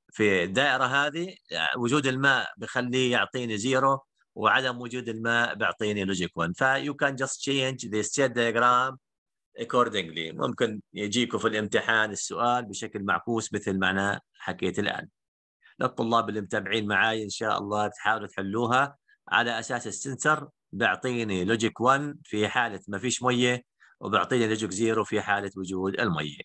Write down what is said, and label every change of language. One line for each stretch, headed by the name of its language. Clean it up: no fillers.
Arabic: في الدائرة هذه وجود الماء بخليه يعطيني zero، وعدم وجود الماء بيعطيني logic one.
English: فyou can just change the state diagram accordingly.
Arabic: ممكن يجيكوا في الامتحان السؤال بشكل معكوس مثل معنى حكيت الآن. للطلاب اللي متابعين معاي إن شاء الله تحاولوا تحلوها على أساس السنسر بيعطيني لوجيك 1 في حالة ما فيش مية، وبيعطيني لوجيك 0 في حالة وجود المية.